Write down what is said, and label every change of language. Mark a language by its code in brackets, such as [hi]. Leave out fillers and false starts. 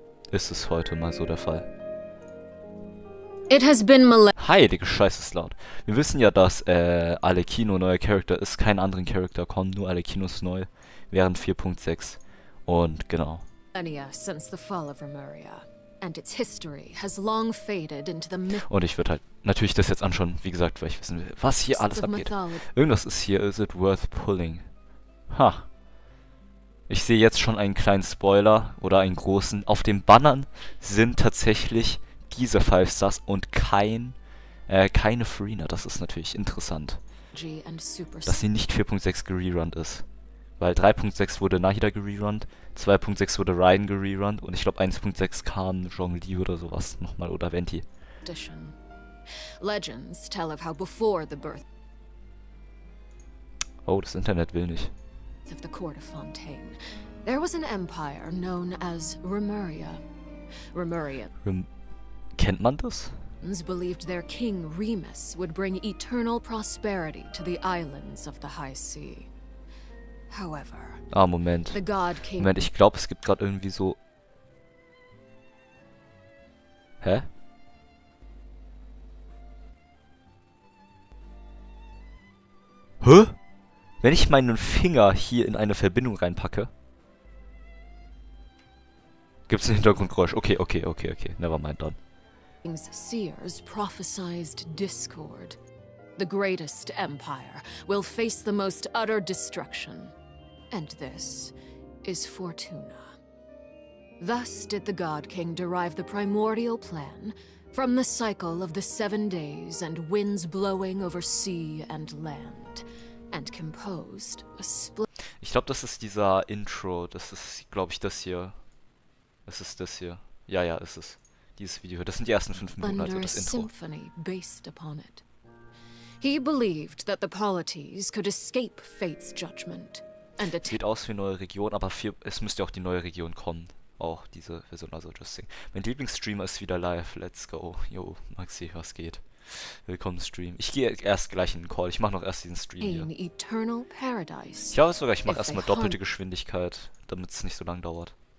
[de] Ist es heute mal so der Fall. [en] It has been mal. [de] Heilige Scheiße, ist laut. Wir wissen ja, dass Alekino neuer Charakter ist, keine anderen Charakter kommen, nur Alekino ist neu, während 4.6. Und genau. [en] Since the fall of Remuria. And its history has long faded into the myth. [de] Und ich würde halt natürlich das jetzt anschauen, wie gesagt, weil ich wissen will, was hier alles abgeht. Irgendwas ist hier, [en] is it worth pulling? [de] Ha. Ich sehe jetzt schon einen kleinen Spoiler oder einen großen. Auf den Bannern sind tatsächlich diese 5 Stars und keine Farina. Das ist natürlich interessant, dass sie nicht 4.6 gererunnt ist. Weil 3.6 wurde Nahida gererunnt, 2.6 wurde Raiden gererunnt und ich glaube 1.6 kam Zhongli oder sowas nochmal oder Venti. [en] Legends tell of how before the birth [de] Oh, das Internet will nicht. [en] of the court of Fontaine, there was an empire known as Remuria. Remuria. [de] Kennt man das? [en] Believed their king Remus would bring eternal prosperity to the islands of the high sea. However, [de] Ah, Moment. [en] the god came. [de] Moment, ich glaube, es gibt gerade irgendwie so. Hä? Hä? Wenn ich meinen Finger hier in eine Verbindung reinpacke, gibt's ein Hintergrundgeräusch. [en] Okay. Never mind dann. Seers prophesied discord. The greatest empire will face the most utter destruction. And this is Fortuna. Thus did the God King derive the primordial plan from the cycle of the 7 days and winds blowing over sea and land, and composed a split. [de] Ich glaube, das ist dieser Intro. Das ist, glaube ich, das hier. Es ist das hier. Ja, ist es. Dieses Video hier. Das sind die ersten 5 Minuten, also das Intro. [en] Symphony based upon it. He believed that the polities could escape fate's judgment. [de] Sieht aus wie eine neue Region, aber vier, es müsste auch die neue Region kommen. Auch diese Version, also [en] just saying. [de] Mein Lieblingsstreamer ist wieder live. [en] Let's go. [de] Yo, Maxi, was geht? Willkommen im Stream. Ich gehe erst gleich in den Call. Ich mache noch erst diesen Stream hier. [en] In eternal paradise, [de] Ich glaube sogar, ich mache erstmal doppelte Geschwindigkeit, damit es nicht so lange dauert.